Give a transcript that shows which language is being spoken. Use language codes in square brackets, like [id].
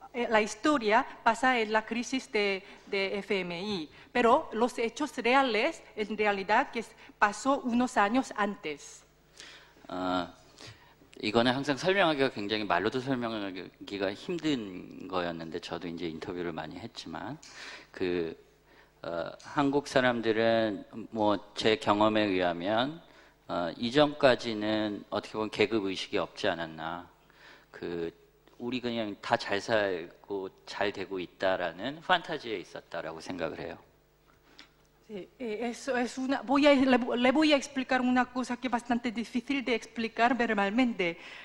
[es] la historia pasa en la crisis de FMI, pero los hechos reales, en realidad, que pasó unos años antes. [ko] 이거는 항상 설명하기가 굉장히 말로도 설명하기가 힘든 거였는데 저도 이제 인터뷰를 많이 했지만 그 한국 사람들은 뭐 제 경험에 의하면 이전까지는 어떻게 보면 계급 의식이 없지 않았나 그 우리 그냥 다 잘 살고 잘 되고 있다라는 판타지에 있었다라고 생각을 해요. [es] Eso es una. Voy a le voy a explicar una cosa que es bastante difícil de explicar verbalmente.